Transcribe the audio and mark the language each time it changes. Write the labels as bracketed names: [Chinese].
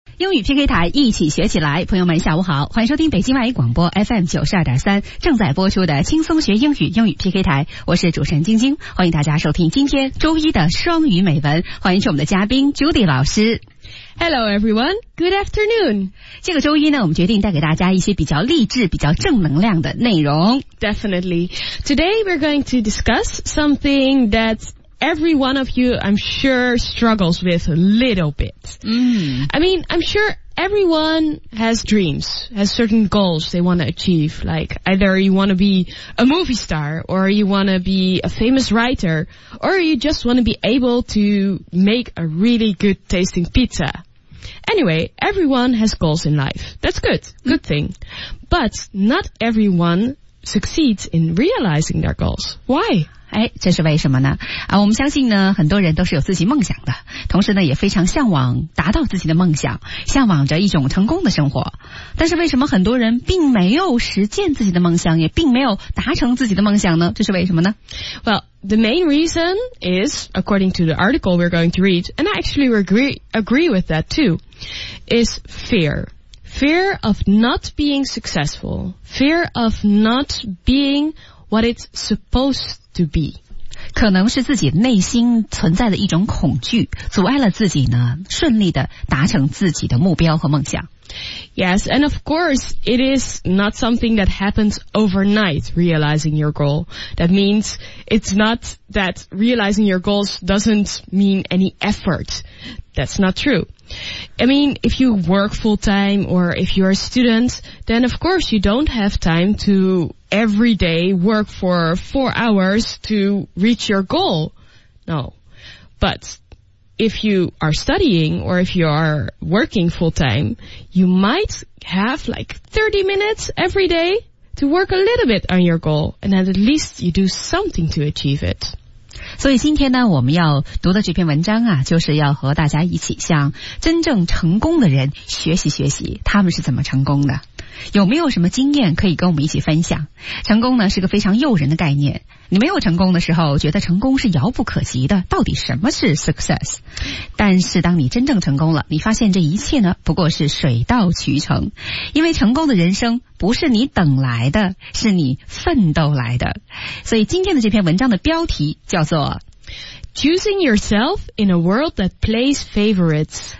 [Chinese] 英语 PK 台一起学起来，朋友们下午好，欢迎收听北京外语广播 FM92.3 正在播出的轻松学英语英语 PK 台，我是主持人晶晶，欢迎大家收听今天周一的双语美文，欢迎是我们的嘉宾 Judy 老师。 [English] Hello everyone, good afternoon. [Chinese] 这个周一呢，我们决定带给大家一些比较励志、比较正能量的内容。 [English] Definitely. Today we're going to discuss something that every one of you, I'm sure, struggles with a little bit. I mean, I'm sure everyone has dreams, has certain goals they want to achieve, like either you want to be a movie star, or you want to be a famous writer, or you just want to be able to make a really good tasting pizza. Anyway, everyone has goals in life. That's good. Good thing. But not everyone succeeds in realizing their goals. Why? [Chinese] 哎，这是为什么呢？啊，我们相信呢，很多人都是有自己梦想的，同时呢，也非常向往达到自己的梦想，向往着一种成功的生活。但是为什么很多人并没有实践自己的梦想，也并没有达成自己的梦想呢？这是为什么呢？ [English] Well, the main reason is, according to the article we're going to read, and I actually agree with that too, is fear. Fear of not being successful. Fear of not being what it's supposed to be. [Chinese] 可能是自己内心存在的一种恐惧，阻碍了自己呢，顺利地达成自己的目标和梦想。 [English] Yes, and of course, it is not something that happens overnight, realizing your goal. That means it's not that realizing your goals doesn't mean any effort. That's not true. I mean, if you work full time or if you're a student, then of course you don't have time to every day work for 4 hours to reach your goal. No. But... If you are studying or if you are working full time, you might have like 30 minutes every day to work a little bit on your goal, and at least you do something to achieve it. [Chinese] 所以今天呢，我们要读的这篇文章啊，就是要和大家一起向真正成功的人学习学习，他们是怎么成功的。有没有什么经验可以跟我们一起分享？成功呢是个非常诱人的概念。你没有成功的时候，觉得成功是遥不可及的。到底什么是 success？但是当你真正成功了，你发现这一切呢不过是水到渠成。因为成功的人生不是你等来的，是你奋斗来的。所以今天的这篇文章的标题叫做 [English] Choosing yourself in a world that plays favorites.